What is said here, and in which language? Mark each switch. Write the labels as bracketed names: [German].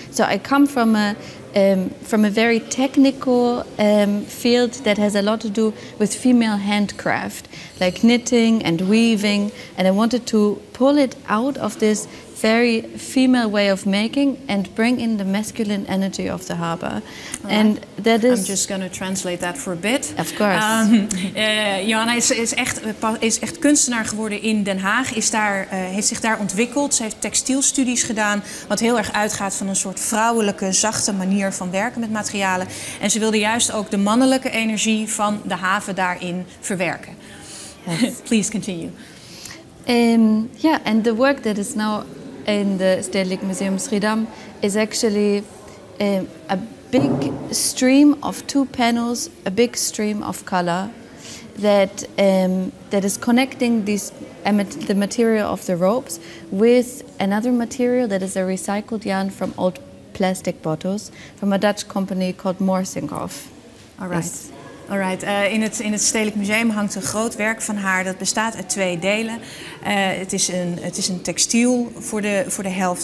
[English] So I come from a very technical field that has a lot to do with female handcraft, like knitting and weaving. And I wanted to pull it out of this very female way of making and bring in the masculine energy of the harbor. Right. And that is, I'm just going to translate that for a bit. Of course. [Dutch] Joanna is echt kunstenaar geworden in Den Haag. Heeft zich daar ontwikkeld. Ze heeft textielstudies gedaan, wat heel erg uitgaat van een soort vrouwelijke, zachte manier van werken met materialen. En ze wilde juist ook de mannelijke energie van de haven daarin verwerken. [English] Please continue. And the work that is now in the Stedelijk Museum Schiedam is actually a big stream of two panels, a big stream of color that that is connecting the material of the ropes with another material that is a recycled yarn from old plastic bottles from a Dutch company called Morsinghoff. All right. Yes. All right. [Dutch] In het Stedelijk Museum hangt een groot werk van haar. Dat bestaat uit twee delen. Het is een textiel voor de helft.